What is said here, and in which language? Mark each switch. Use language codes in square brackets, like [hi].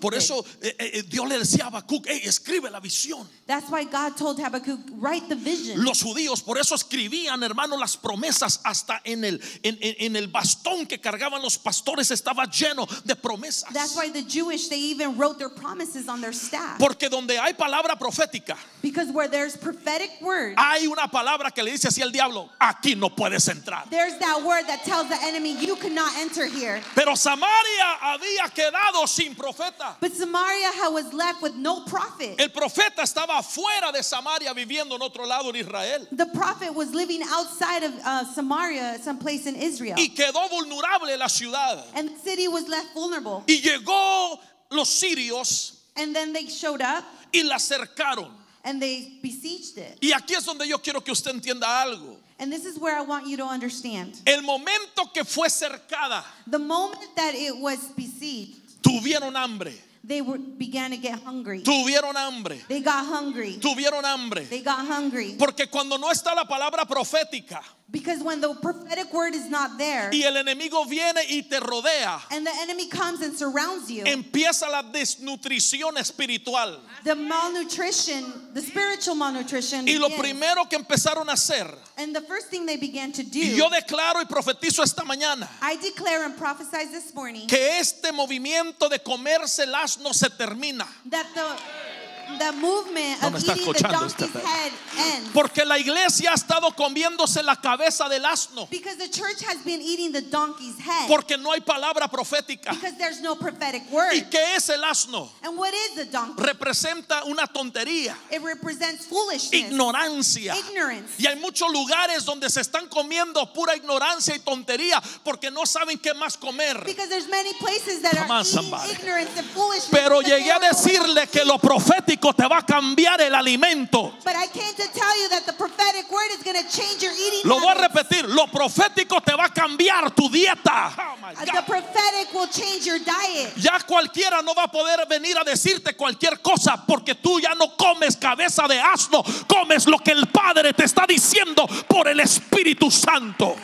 [es] Por eso Dios le decía a Habacuc, hey, escribe la visión. [en] That's why God told Habacuc, write the vision. [es] Los judíos por eso escribían, hermano, las promesas hasta en el bastón que cargaban los pastores estaba lleno de promesas. [en] That's why the Jewish, they even wrote their promises on their staff. [es] Porque donde hay palabra profética, [en] because where there's prophetic word, [es] hay una palabra que le dice así al diablo, aquí no puedes entrar. [en] There's that word that tells the enemy, you cannot enter here. [es] Pero Samaria había quedado sin profeta. [en] But Samaria was left with no prophet. [es] El profeta estaba fuera de Samaria viviendo en otro lado en Israel. [en] The prophet was living outside of Samaria, someplace in Israel. [es] Y quedó vulnerable la ciudad. [en] And the city was left vulnerable. [es] Y llegó los sirios. [en] And then they showed up. [es] Y la cercaron. [en] And they besieged it. [es] Y aquí es donde yo quiero que usted entienda algo. [en] And this is where I want you to understand. [es] El momento que fue cercada. [en] The moment that it was besieged. [es] Tuvieron hambre. [en] They began to get hungry. [es] Tuvieron hambre. [en] They got hungry. [es] Tuvieron hambre. [en] They got hungry. [es] Porque cuando no está la palabra profética. [en] Because when the prophetic word is not there. [es] Y el enemigo viene y te rodea. [en] And the enemy comes and surrounds you. [es] Empieza la desnutrición espiritual. [en] The malnutrition, the spiritual malnutrition. [es] Y lo primero que empezaron a hacer. [en] And the first thing they began to do. [es] Y yo declaro y profetizo esta mañana. [en] I declare and prophesy this morning. [es] Que este movimiento de comerse el asno se termina. [en] That the movement of eating the donkey's head ends. [es] Porque la iglesia ha estado comiéndose la cabeza del asno. [en] Because the church has been eating the donkey's head. [es] Porque no hay palabra profética. [en] Because there's no prophetic word. [es] ¿Y qué es el asno? [en] And what is the donkey? [es] Representa una tontería. [en] It represents foolishness. [es] Ignorancia. [en] Ignorance. [es] Y hay muchos lugares donde se están comiendo pura ignorancia y tontería porque no saben qué más comer. [en] Because there's many places that come are on, eating ignorance and foolishness. [es] Pero llegué a decirle que lo profético te va a cambiar el alimento. [en] But I came to tell you that the prophetic word is going to change your eating. [es] Lo voy a repetir. Lo profético te va a cambiar tu dieta. [en] Oh my God. The prophetic will change your diet. [es] Ya cualquiera no va a poder venir a decirte cualquier cosa porque tú ya no comes cabeza de asno. Comes lo que el Padre te está diciendo por el Espíritu Santo.